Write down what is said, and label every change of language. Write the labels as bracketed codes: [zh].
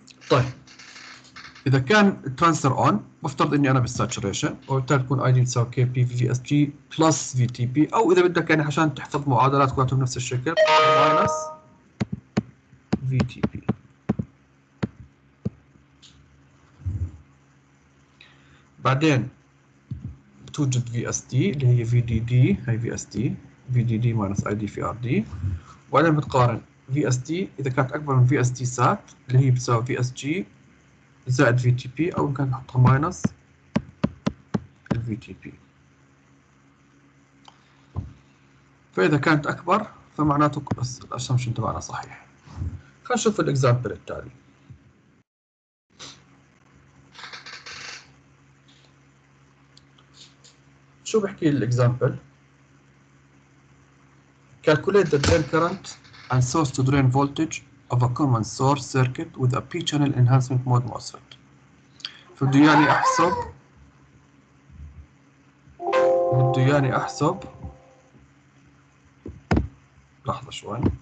[ar] طيب اذا كان الترانسفر اون، بفترض اني انا بالساتوريشن، وبالتالي تكون اي دي تساوي كي بي في اس جي بلس في تي بي، او اذا بدك يعني عشان تحفظ معادلات كلها نفس الشكل ماينس VTP. بعدين توجد VSD اللي هي VDD، هي VSD VDD minus ID في RD. وبعدين بتقارن VSD إذا كانت أكبر من VSD SAT اللي هي بتساوي VSG زائد VTP، أو ممكن نحطها minus VTP. فإذا كانت أكبر فمعناته الأسامشن تبعنا صحيح. هنشوف الاكزامبل التالي. شو بحكي الاكزامبل؟ [en] Calculate the drain current and source to drain voltage of a common source circuit with a p-channel enhancement mode MOSFET. [ar] بده ياني احسب، بده ياني احسب لحظة شوي.